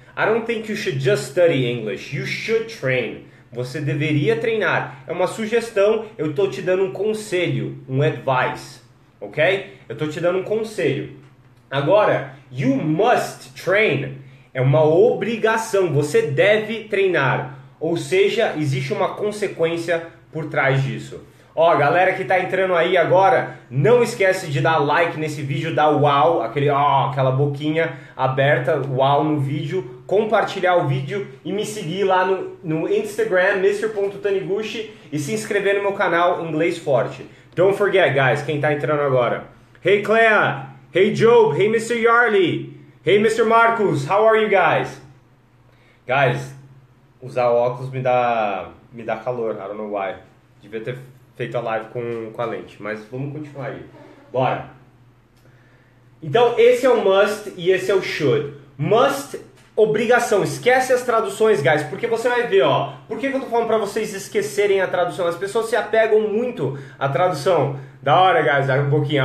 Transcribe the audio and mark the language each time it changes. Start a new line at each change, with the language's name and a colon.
English: I don't think you should just study English, you should train.
Portuguese: Você deveria treinar, é uma sugestão, eu estou te dando um conselho, um advice, ok? Eu estou te dando um conselho. Agora,
English: you must train,
Portuguese: é uma obrigação, você deve treinar. Ou seja, existe uma consequência por trás disso. Ó, galera que tá entrando aí agora, não esquece de dar like nesse vídeo, dar uau, aquele ó, aquela boquinha aberta, uau no vídeo, compartilhar o vídeo e me seguir lá no Instagram, Mr.Taniguchi, e se inscrever no meu canal Inglês Forte.
English: Don't forget, guys,
Portuguese: quem tá entrando agora.
English: Hey, Clea! Hey, Job! Hey, Mr. Yarley! Hey, Mr. Marcos! How are you guys?
Portuguese: Guys, usar óculos me dá calor,
English: I don't know why.
Portuguese: Devia ter feito a live com a lente, mas vamos continuar aí. Bora! Então, esse é o must e esse é o should. Must, obrigação. Esquece as traduções, guys, porque você vai ver, ó. Por que eu tô falando pra vocês esquecerem a tradução? As pessoas se apegam muito à tradução. Da hora, guys, dá um pouquinho.